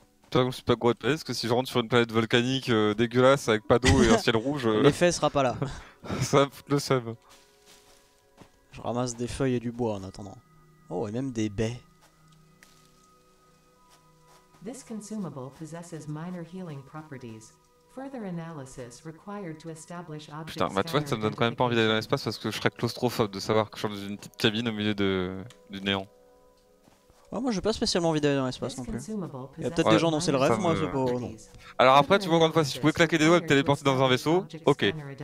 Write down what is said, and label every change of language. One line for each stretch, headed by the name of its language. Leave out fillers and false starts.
French: Je suis pas gros de planète, parce que si je rentre sur une planète volcanique dégueulasse avec pas d'eau et un ciel rouge. L'effet sera pas là. Ça me fout le seum. Je ramasse des feuilles et du bois en attendant. Oh, et même des baies.
English: This consumable possesses minor healing properties. Further analysis required to establish objects.
French: Putain, bah, tu vois, ça me donne quand même pas envie d'aller dans l'espace parce que je serais claustrophobe de savoir que je suis dans une petite cabine au milieu du néant. Ouais, moi j'ai pas spécialement envie d'aller dans l'espace non plus. Il y a peut-être des gens dont c'est le rêve, moi c'est pas. Non. Alors après, tu vois, encore une fois, si je pouvais claquer des doigts et me téléporter dans un vaisseau, ok. Ouais.